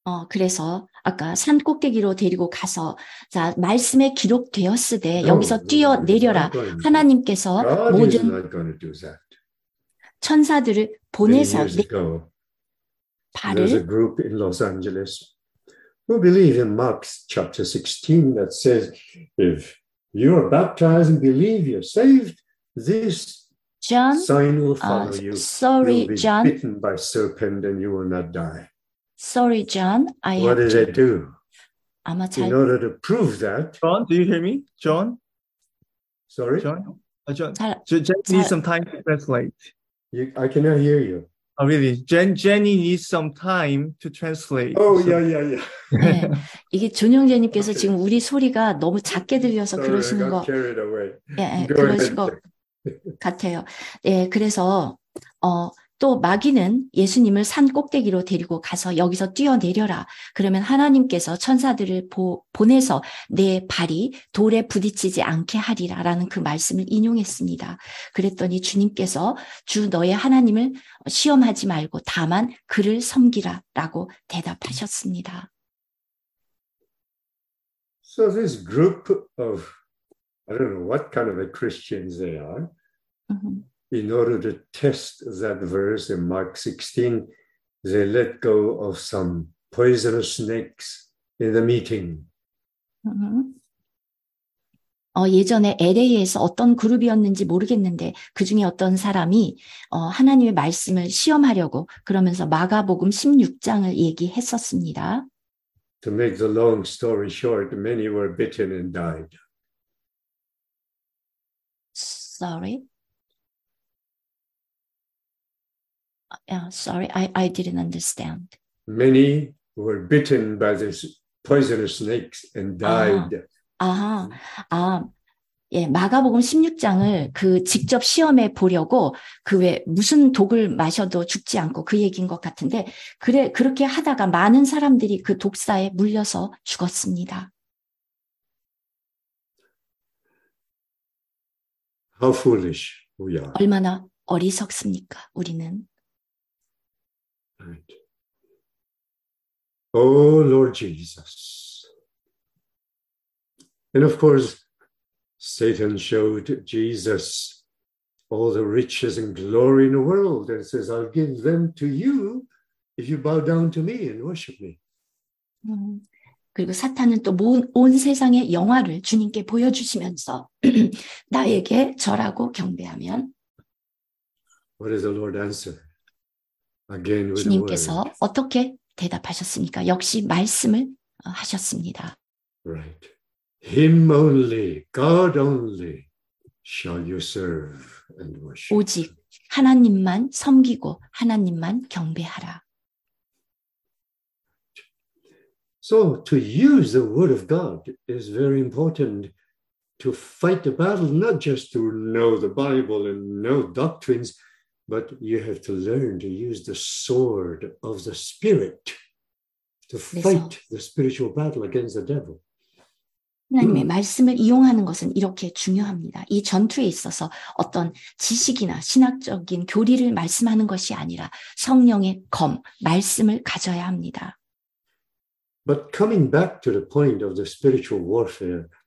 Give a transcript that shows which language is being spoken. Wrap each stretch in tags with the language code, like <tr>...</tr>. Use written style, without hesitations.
<ko>그래서 아까 산 꼭대기로 데리고 가서 자 말씀에 기록되었으되 여기서 뛰어 내려라 하나님께서 모든 천사들을 보내서</ko> <en>There's a group in Los Angeles who believe in Mark chapter 16 that says if you are baptized and believe you're saved this John, sign will follow you. Sorry, You'll be John. Bitten by serpent and you will not die. Sorry, John. I What did to... I do? I'm a type... In order to prove that... John, do you hear me? John? Sorry? Jen needs some time to translate. I cannot hear you. Oh, really? Jenny needs some time to translate. Oh, yeah.</en> <ko>네. 이게 준영재님께서 okay. 지금 우리 소리가 너무 작게 들려서</ko> <en>Sorry,</en> <ko>그러시는 거...</ko> <en>Sorry, I got carried away.</en> <ko>예, 네, 그러신 거 같아요. 예, 네, 그래서... 또 마귀는 예수님을 산 꼭대기로 데리고 가서 여기서 뛰어내려라. 그러면 하나님께서 천사들을 보내서 내 발이 돌에 부딪히지 않게 하리라 라는 그 말씀을 인용했습니다. 그랬더니 주님께서 주 너의 하나님을 시험하지 말고 다만 그를 섬기라 라고 대답하셨습니다.</ko> <en>So this group of, I don't know what kind of a Christians they are. In order to test that verse in Mark 16, they let go of some poisonous snakes in the meeting.</en> <ko>예전에 LA에서 어떤 그룹이었는지 모르겠는데 그 중에 어떤 사람이 하나님의 말씀을 시험하려고 그러면서 마가복음 16장을 얘기했었습니다.</ko> <en>To make the long story short, many were bitten and died. Sorry. Yeah, sorry, I didn't understand. Many were bitten by these poisonous snakes and died.</en> <ko>예, 마가복음 16장을 그 직접 시험해 보려고 그 왜 무슨 독을 마셔도 죽지 않고 그 얘기인 것 같은데 그래 그렇게 하다가 많은 사람들이 그 독사에 물려서 죽었습니다.</ko> <en>How foolish we are.</en> <ko>얼마나 어리석습니까, 우리는?</ko> <en>Right. Oh, Lord Jesus. And of course, Satan showed Jesus all the riches and glory in the world and says, I'll give them to you if you bow down to me and worship me.</en> <ko>그리고 사탄은 또 온 세상의 영화를 주님께 보여주시면서 나에게 절하고 경배하면</ko> <en>What does the Lord answer? Again with</en> <ko>주님께서 word. 어떻게 대답하셨습니까? 역시 말씀을 하셨습니다.</ko> <en>Right. Him only, God only shall you serve and worship.</en> <ko>오직 하나님만 섬기고 하나님만 경배하라.</ko> <en>So to use the word of God is very important to fight the battle, not just to know the Bible and know doctrines, but you have to learn to use the sword of the Spirit to fight the spiritual battle against the devil.</en> <ko>하나님의 말씀을 이용하는 것은 이렇게 중요합니다. 이 전투에 있어서 어떤 지식이나 신학적인 교리를 말씀하는 것이 아니라 성령의 검, 말씀을 가져야 합니다.</ko> <en>But coming back to the point of the spiritual warfare,</en>